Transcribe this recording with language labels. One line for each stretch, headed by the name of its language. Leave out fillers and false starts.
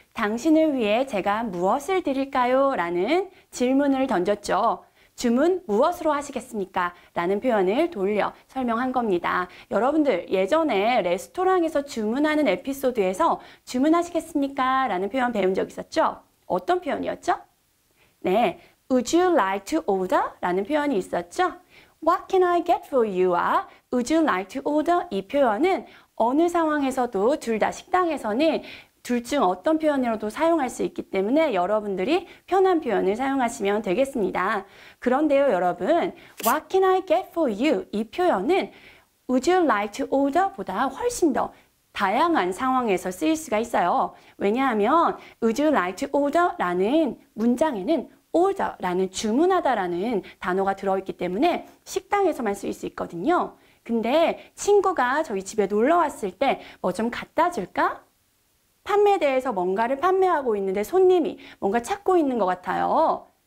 Korean: 당신을 위해 제가 무엇을 드릴까요? 라는 질문을 던졌죠. 주문 무엇으로 하시겠습니까? 라는 표현을 돌려 설명한 겁니다. 여러분들 예전에 레스토랑에서 주문하는 에피소드에서 주문하시겠습니까? 라는 표현 배운 적 있었죠? 어떤 표현이었죠? 네,
English: Would you like to order?
Korean: 라는 표현이 있었죠?
English: What can I get for you?
Korean: 와
English: Would you like to order?
Korean: 이 표현은 어느 상황에서도 둘 다 식당에서는 둘 중 어떤 표현으로도 사용할 수 있기 때문에 여러분들이 편한 표현을 사용하시면 되겠습니다. 그런데요, 여러분,
English: What can I get for you?
Korean: 이 표현은
English: Would you like to order?
Korean: 보다 훨씬 더 다양한 상황에서 쓰일 수가 있어요. 왜냐하면
English: Would you like to order?
Korean: 라는 문장에는 order 라는 주문하다 라는 단어가 들어있기 때문에 식당에서만 쓰일 수 있거든요. 근데 친구가 저희 집에 놀러 왔을 때 뭐 좀 갖다 줄까? 판매대에서 뭔가를 판매하고 있는데 손님이 뭔가 찾고 있는 것 같아요.